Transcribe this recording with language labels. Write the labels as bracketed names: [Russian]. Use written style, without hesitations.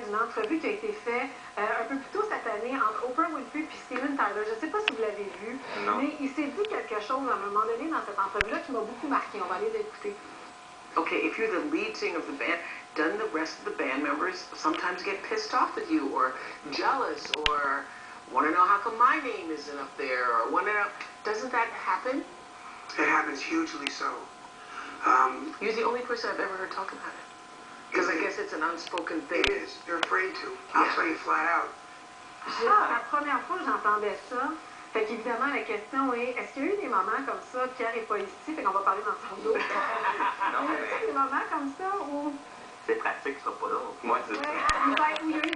[French] Entrevue qui a été faite un peu plus tôt cette année entre Oprah Winfrey et Steven. Tyler, je ne sais pas si vous l'avez vu, non. Mais il s'est dit quelque chose à un moment donné dans cette entrevue-là qui m'a beaucoup marqué. On va aller l'écouter. [English] Okay, if you're the lead singer of the band, then the rest of the band members sometimes get pissed off at you or jealous or want to know how come my name isn't up there or want to know. Doesn't that happen? It happens hugely so. You're the only person I've ever heard talk about it. Because I guess it's an unspoken thing. It is. You're afraid to. I'll tell you flat out. [French] La première fois que j'entendais ça, fait qu'évidemment la question est-ce qu'il y a eu des moments comme ça, Pierre n'est pas ici, fait qu'on va parler dans son dos. Non, mais... Est-ce qu'il y a eu des moments comme ça où... C'est pratique, ça, pas d'autre. Moi, c'est...